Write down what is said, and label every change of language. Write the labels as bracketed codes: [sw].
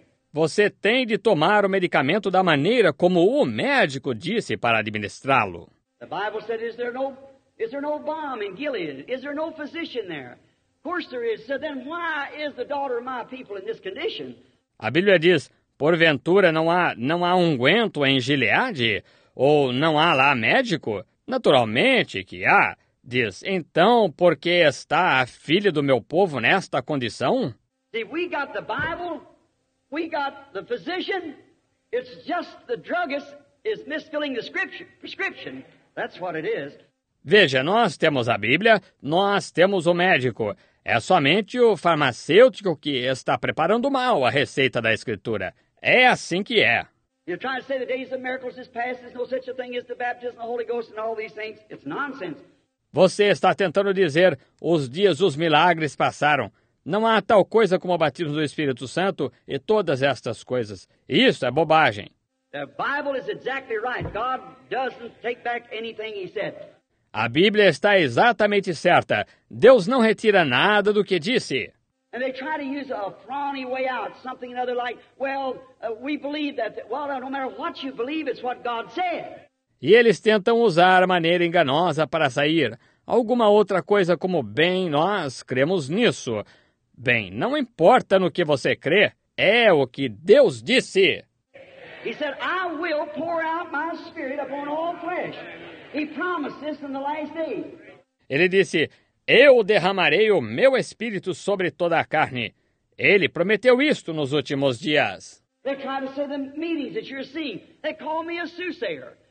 [pt] Você tem de tomar o medicamento da maneira como o médico disse para administrá-lo. [en] The Bible said, is there no balm in Gilead? Is there no physician there? Of course there is. So then why is the daughter of my people in this condition? [pt] A Bíblia diz, porventura não há unguento em Gileade? Ou não há lá médico? Naturalmente que há. Diz, então, por que está a filha do meu povo nesta condição? [en] See, we got the Bible, we got the physician, it's just the druggist is misfilling the prescription. That's what it is. [pt] Veja, nós temos a Bíblia, nós temos o médico. É somente o farmacêutico que está preparando mal a receita da Escritura. É assim que é. [en] You're trying to say the days of miracles is past, there's no such a thing as the baptism of the Holy Ghost and all these things. It's nonsense. [pt] Você está tentando dizer, os dias dos milagres passaram. Não há tal coisa como o batismo do Espírito Santo e todas estas coisas. Isso é bobagem. [en] The Bible is exactly right. God doesn't take back anything he said. [pt] A Bíblia está exatamente certa. Deus não retira nada do que disse. [en] And they try to use a frowny way out, something another like, we believe that, no matter what you believe, it's what God said. [pt] E eles tentam usar a maneira enganosa para sair. Alguma outra coisa como, bem, nós cremos nisso. Bem, não importa no que você crê, é o que Deus disse. [en] He said, I will pour out my spirit upon all flesh. He promised this in the last day. [pt] Ele disse, eu derramarei o meu espírito sobre toda a carne. Ele prometeu isto nos últimos dias. [en] They're trying to say the meetings that you're seeing. They call me a soothsayer.